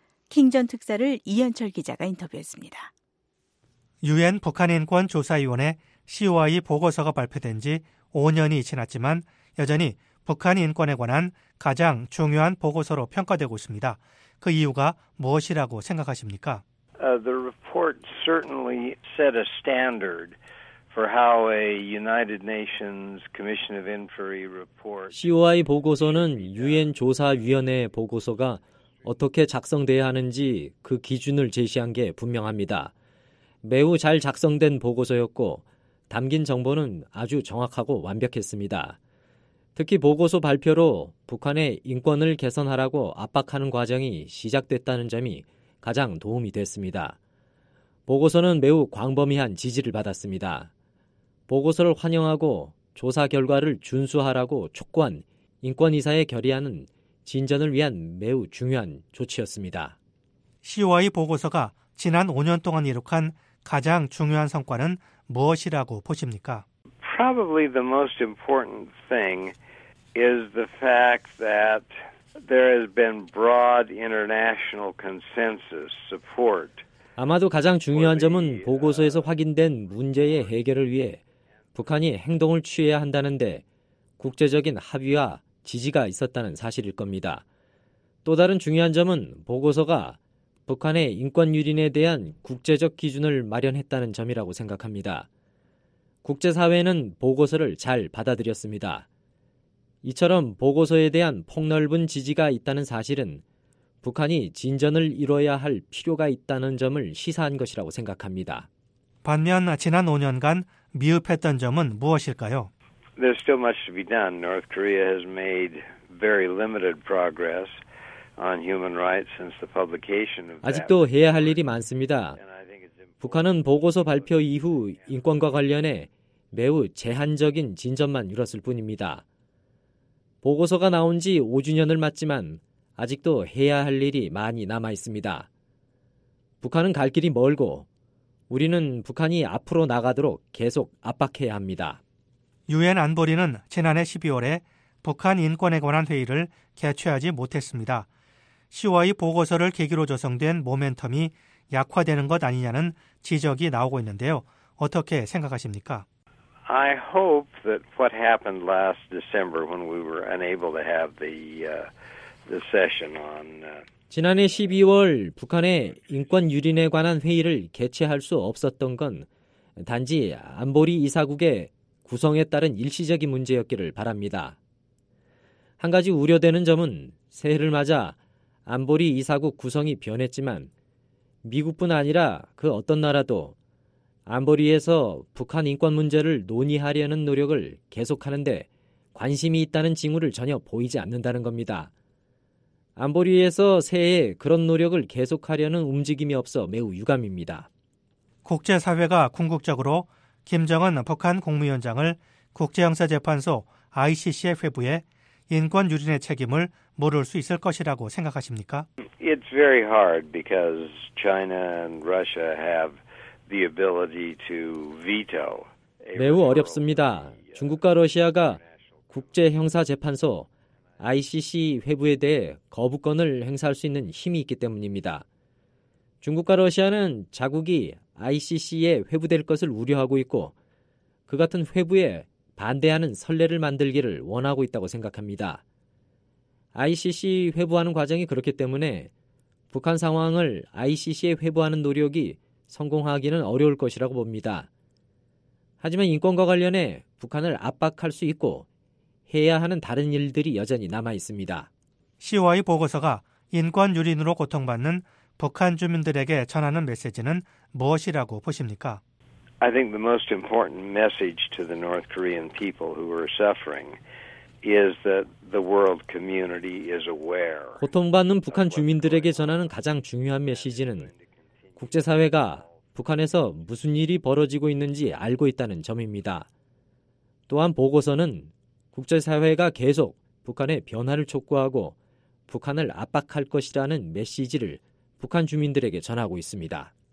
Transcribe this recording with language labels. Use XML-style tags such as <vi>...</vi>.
<ko>킹 전 특사를 이현철 기자가 인터뷰했습니다. 유엔 북한인권조사위원회 COI 보고서가 발표된 지 5년이 지났지만 여전히 북한인권에 관한 가장 중요한 보고서로 평가되고 있습니다. 그 이유가 무엇이라고 생각하십니까?</ko> <en>The report certainly set a standard for how a United Nations Commission of Inquiry report.</en> <ko>COI 보고서는 유엔 조사위원회 보고서가 어떻게 작성돼야 하는지 그 기준을 제시한 게 분명합니다. 매우 잘 작성된 보고서였고 담긴 정보는 아주 정확하고 완벽했습니다. 특히 보고서 발표로 북한의 인권을 개선하라고 압박하는 과정이 시작됐다는 점이 가장 도움이 됐습니다. 보고서는 매우 광범위한 지지를 받았습니다. 보고서를 환영하고 조사 결과를 준수하라고 촉구한 인권이사의 결의안은 진전을 위한 매우 중요한 조치였습니다. COI 보고서가 지난 5년 동안 이룩한 가장 중요한 성과는 무엇이라고 보십니까?</ko> <en>Probably the most important thing is the fact that there has been broad international consensus support.</en> <ko>아마도 가장 중요한 점은 보고서에서 확인된 문제의 해결을 위해 북한이 행동을 취해야 한다는데 국제적인 합의와 지지가 있었다는 사실일 겁니다. 또 다른 중요한 점은 보고서가 북한의 인권 유린에 대한 국제적 기준을 마련했다는 점이라고 생각합니다. 국제사회는 보고서를 잘 받아들였습니다. 이처럼 보고서에 대한 폭넓은 지지가 있다는 사실은 북한이 진전을 이뤄야 할 필요가 있다는 점을 시사한 것이라고 생각합니다. 반면 지난 5년간 미흡했던 점은 무엇일까요?</ko> <en>There's still much to be done. North Korea has made very limited progress on human rights since the publication of that.</en> <ko>아직도 해야 할 일이 많습니다. 북한은 보고서 발표 이후 인권과 관련해 매우 제한적인 진전만 이뤘을 뿐입니다. 보고서가 나온 지 5주년을 맞지만 아직도 해야 할 일이 많이 남아 있습니다. 북한은 갈 길이 멀고 우리는 북한이 앞으로 나가도록 계속 압박해야 합니다. 유엔 안보리는 지난해 12월에 북한 인권에 관한 회의를 개최하지 못했습니다. COI 보고서를 계기로 조성된 모멘텀이 약화되는 것 아니냐는 지적이 나오고 있는데요. 어떻게 생각하십니까?</ko> <en>I hope that what happened last December when we were unable to have the session on</en> <ko>지난해 12월 북한의 인권 유린에 관한 회의를 개최할 수 없었던 건 단지 안보리 이사국의 구성에 따른 일시적인 문제였기를 바랍니다. 한 가지 우려되는 점은 새해를 맞아 안보리 이사국 구성이 변했지만 미국뿐 아니라 그 어떤 나라도 안보리에서 북한 인권 문제를 논의하려는 노력을 계속하는데 관심이 있다는 징후를 전혀 보이지 않는다는 겁니다. 안보리에서 새해 그런 노력을 계속하려는 움직임이 없어 매우 유감입니다. 국제사회가 궁극적으로 김정은 북한 국무위원장을 국제형사재판소 ICC에 회부해 인권 유린의 책임을 물을 수 있을 것이라고 생각하십니까?</ko> <en>It's very hard because China and Russia have the ability to veto.</en> <ko>매우 어렵습니다. 중국과 러시아가 국제형사재판소 ICC 회부에 대해 거부권을 행사할 수 있는 힘이 있기 때문입니다. 중국과 러시아는 자국이 ICC에 회부될 것을 우려하고 있고 그 같은 회부에 반대하는 선례를 만들기를 원하고 있다고 생각합니다. ICC 회부하는 과정이 그렇기 때문에 북한 상황을 ICC에 회부하는 노력이 성공하기는 어려울 것이라고 봅니다. 하지만 인권과 관련해 북한을 압박할 수 있고 해야 하는 다른 일들이 여전히 남아 있습니다. COI 보고서가 인권 유린으로 고통받는 북한 주민들에게 전하는 메시지는 무엇이라고 보십니까?</ko> <en>I think the most important message to the North Korean people who are suffering is that the world community is aware.</en> <ko>고통받는 북한 주민들에게 전하는 가장 중요한 메시지는 국제사회가 북한에서 무슨 일이 벌어지고 있는지 알고 있다는 점입니다. 또한 보고서는 국제사회가 계속 북한의 변화를 촉구하고 북한을 압박할 것이라는 메시지를 북한 주민들에게 전하고 있습니다.</ko>